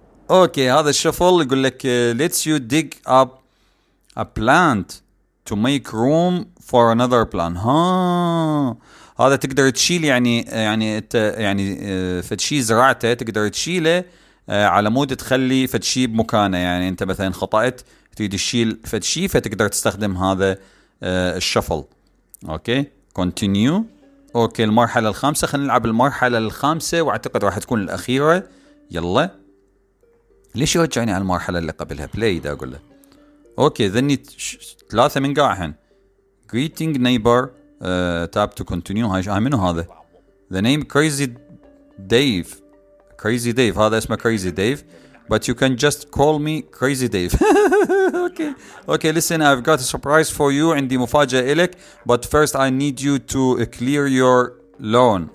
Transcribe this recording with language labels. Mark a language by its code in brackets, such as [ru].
[ar] اوكي هذا الشفل يقول لك [en] let you dig up a plant to make room for another plant. [ar] ها هذا تقدر تشيل يعني يعني يعني فتشي زرعته تقدر تشيله على مود تخلي فتشي بمكانه. يعني انت مثلا خطأت تريد تشيل فتشي فتقدر تستخدم هذا الشفل. اوكي كونتينيو. اوكي المرحلة الخامسة، خلينا نلعب المرحلة الخامسة واعتقد راح تكون الاخيرة. يلا ليش يرجعني على المرحلة اللي قبلها؟ بلاي ده اقول له. اوكي ذني ثلاثة من قاعهن. [en] greeting neighbor tap to continue. [ar] هاي منو هذا؟ [en] the name crazy dave. crazy dave [ar] هذا اسمه [en] crazy dave but you can just call me crazy dave. Okay okay listen I've got a surprise for you. [ar] عندي مفاجأة إلك [en] but first I need you to clear your loan.